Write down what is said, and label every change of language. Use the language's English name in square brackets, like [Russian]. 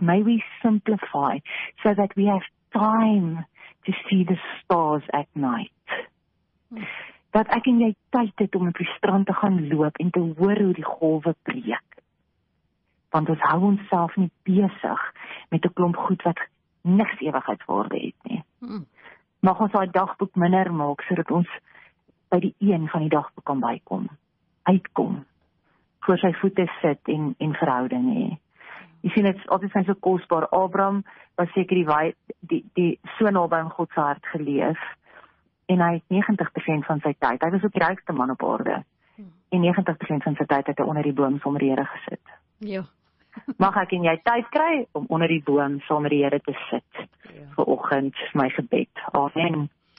[English] May we simplify so that we have time to see the stars at night. [Afrikaans] Dat ek en jy tyd het om op die strand te gaan loop en te hoor hoe die golwe breek. Want ons hou ons self nie besig met 'n klomp goed wat niks ewigheidswaarde het nie. Mag ons daai dagboek minder maak, sodat ons by die een van die dagboek kan bykom, uitkom, voor sy voete sit en verhouding hê. Jy sien, dit is altyd so kosbaar. Abraham was seker die so naby aan God se hart geleef, en hy het 90% van sy tyd, hy was die rykste man op aarde, en 90% van sy tyd het hy onder die boom van die Here gesit. Ja. Mag ek en jy tyd kry om onder die boom saam met die Here te sit. Ja. Vir oggend is my gebed. Amen.